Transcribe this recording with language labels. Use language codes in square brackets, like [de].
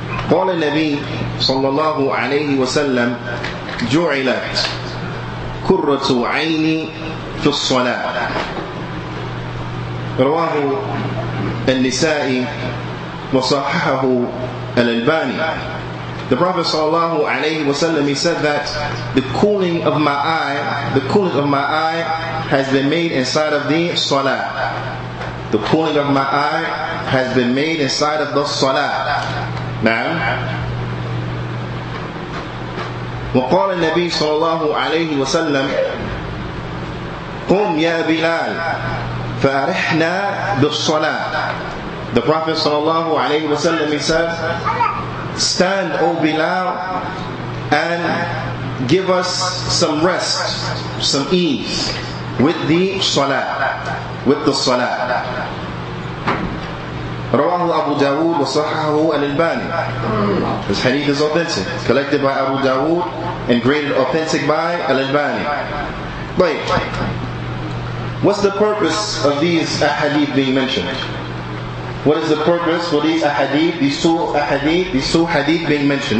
[ar] قال النبي صلى الله عليه وسلم جعلت كرة عيني في الصلاة رواه النسائي وصححه الألباني. [en] The Prophet صلى الله عليه وسلم, he said that the cooling of my eye has been made inside of the salah. The cooling of my eye has been made inside of the salah. [ar] Now, وقال النبي صلى الله عليه وسلم قم يا بلال فارحنا بالصلاة [en] The Prophet sallallahu alayhi wa sallam, he said, "Stand, O Bilal, and give us some rest, some ease with the salah. [ar] رواه أبو داود وصححه الألباني. [en] This hadith is authentic, collected by Abu Dawood and graded authentic by Al-Albani. طيب, what's the purpose of these ahadith being mentioned? What is the purpose for these ahadith, these two hadith being mentioned?